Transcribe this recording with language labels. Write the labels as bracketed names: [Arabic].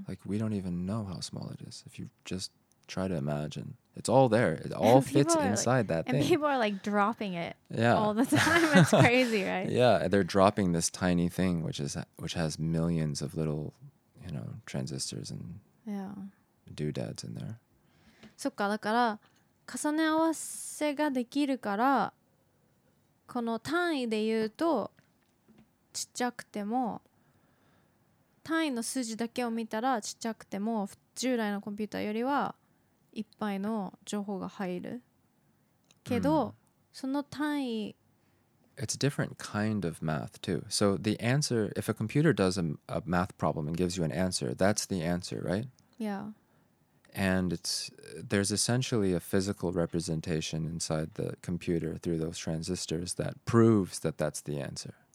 [English] Like, we don't even know how small it is. If you just try to imagine... It's all there. It all fits inside that thing. And people are like dropping it all the time. It's crazy, right? Yeah, they're dropping this tiny thing, which has millions of little, transistors and doodads in there. [Japanese] そっか、だから重ね合わせができるから、この単位で言うとちっちゃくても、単位の数字だけを見たらちっちゃくても、従来のコンピューターよりはいっぱいの情報が入るけど、その単位 [English] It's a different kind of math too. So the answer, if a computer does a math problem and gives you an answer, that's the answer, right? Yeah. And there's essentially a physical representation inside the computer through those transistors that proves that that's the answer.